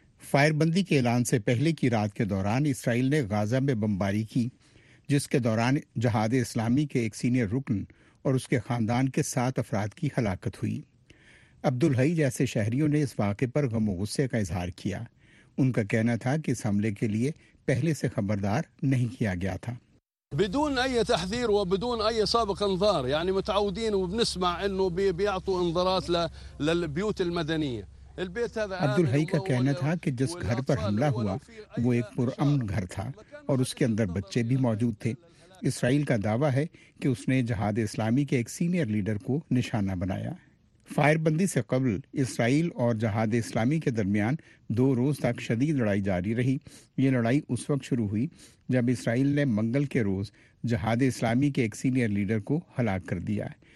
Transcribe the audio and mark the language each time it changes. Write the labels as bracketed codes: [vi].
[ur] Fire بندی کے اعلان سے پہلے کی رات کے دوران اسرائیل نے غازہ میں بمباری کی، جس کے دوران جہاد اسلامی کے ایک سینئر رکن اور اس کے خاندان کے 7 افراد کی ہلاکت ہوئی۔ عبدالحی جیسے شہریوں نے اس واقعے پر غم و غصے کا اظہار کیا۔ ان کا کہنا تھا کہ اس حملے کے لیے پہلے سے خبردار نہیں کیا گیا تھا۔ [ar] بدون اي تحذير وبدون اي سابق انذار، يعني متعودين وبنسمع انه بيعطوا انذارات للبيوت المدنيه البيت هذا۔ [ur] عبد الحي کا کہنا تھا کہ جس گھر پر حملہ ہوا وہ ایک پرامن گھر تھا اور اس کے اندر بچے بھی موجود تھے۔ اسرائیل کا دعویٰ ہے کہ اس نے جہاد اسلامی کے ایک سینئر لیڈر کو نشانہ بنایا۔ فائر بندی سے قبل اسرائیل اور جہاد اسلامی کے درمیان 2 روز تک شدید لڑائی جاری رہی۔ یہ لڑائی اس وقت شروع ہوئی جب اسرائیل نے منگل کے روز جہاد اسلامی کے ایک سینئر لیڈر کو ہلاک کر دیا۔